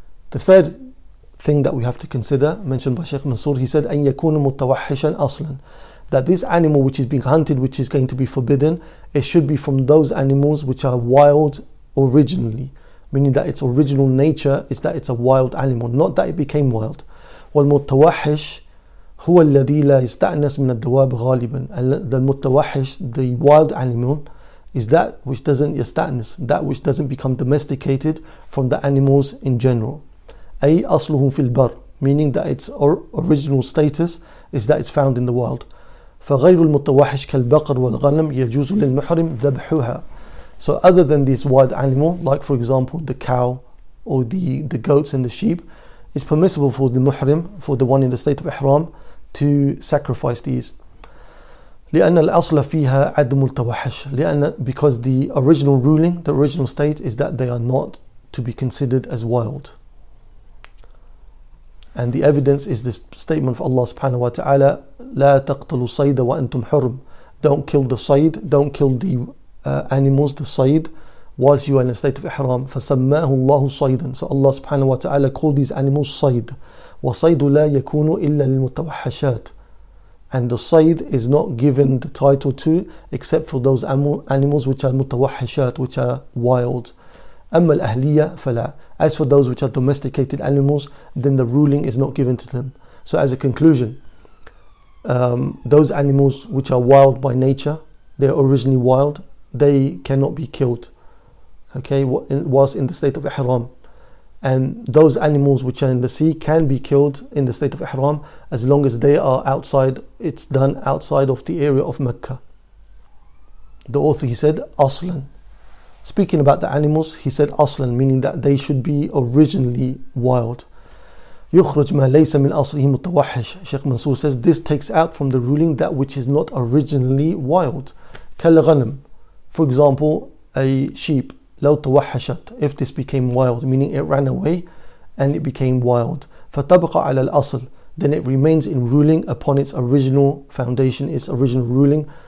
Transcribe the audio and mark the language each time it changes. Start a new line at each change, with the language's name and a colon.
English: The third thing that we have to consider, mentioned by Sheikh Mansour, he said,
Arabic: أَنْ يَكُونُ مُتَوَحِّشًا أَصْلًا,
English: that this animal which is being hunted, which is going to be forbidden, it should be from those animals which are wild originally, meaning that its original nature is that it's a wild animal, not that it became wild.
Arabic: والمتوحش هو الذي لا يستأنس من الدواب غالبا.
English: The المتوحش, the wild animal, is that which doesn't يستأنس, that which doesn't become domesticated from the animals in general.
Arabic: أي أصله في البر,
English: meaning that its original status is that it's found in the wild.
Arabic: فغير المتوحش كالبقر والغنم يجوز للمحرم ذبحها.
English: So other than this wild animal, like for example the cow or the goats and the sheep, it's permissible for the muhrim, for the one in the state of ihram, to sacrifice these.
Arabic: لأن الأصل فيها عدم التوحش,
English: because the original ruling, the original state, is that they are not to be considered as wild. And the evidence is this statement of Allah subhanahu wa ta'ala,
Arabic: لا تقتلوا الصيد وأنتم حرم.
English: Don't kill the صيد, don't kill the animals, the صيد, whilst you are in a state of ihram.
Arabic: فسماه الله صيدا.
English: So Allah subhanahu wa ta'ala called these animals صيد.
Arabic: وصيد لا يكون إلا للمتوحشات.
English: And the صيد is not given the title to except for those animals which are متوحشات, which are wild.
Arabic: أما الأهلية فلا.
English: As for those which are domesticated animals, then the ruling is not given to them. So as a conclusion, those animals which are wild by nature, they're originally wild, they cannot be killed, okay, whilst in the state of ihram. And those animals which are in the sea can be killed in the state of ihram, as long as they are outside, it's done outside of the area of Mecca. The author, he said, aslan. Speaking about the animals, he said aslan, meaning that they should be originally wild.
Arabic: يخرج ما ليس من أصله متوحش.
English: Sheikh Mansour says, this takes out from the ruling that which is not originally wild. كالغنم. For example, a sheep.
Arabic: لو توحشت,
English: if this became wild, meaning it ran away and it became wild.
Arabic: فتبقى على الأصل,
English: then it remains in ruling upon its original foundation, its original ruling.